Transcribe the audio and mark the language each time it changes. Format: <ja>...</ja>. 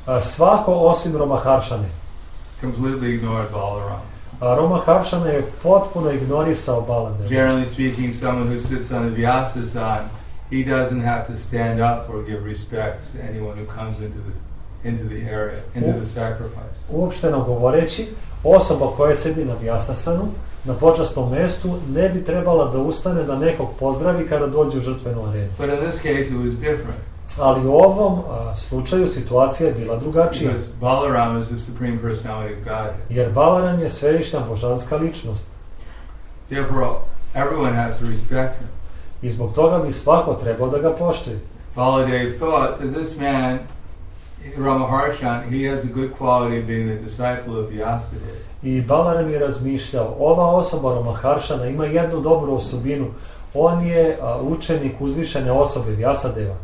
<sr>Svako osim Ramaharshane.</sr> <en>Completely ignored Balarama.</en> <sr>Ramaharshana je potpuno ignorisao Baladeva.</sr> <en>Generally speaking, someone who sits on the Vyasa side, he doesn't have to stand up or give respects to anyone who comes into the area, into the sacrifice.</en> <sr>Uopšteno govoreći, osoba koja sedi na Vyasasanu, na počasnom mestu, ne bi trebala da ustane da nekog pozdravi kada dođe u žrtvenu arenu.</sr> <en>But in this case it was different.</en> <sr>Ali u ovom slučaju situacija je bila drugačija.</sr> <en>Because Balaram is the supreme personality of God.</en> <sr>Jer Balaram je svevišnja božanska ličnost.</sr> <en>Therefore, everyone has to respect him.</en> <sr>I zbog toga bi svako trebao da ga poštuje.</sr> <en>Baladev thought that this man, Ramaharshan, he has a good quality of being the disciple of Vyasadeva.</en> <sr>I Balaram je razmišljao, ova osoba Ramaharshana ima jednu dobru osobinu, on je učenik uzvišene osobe Vyasadeva.</sr>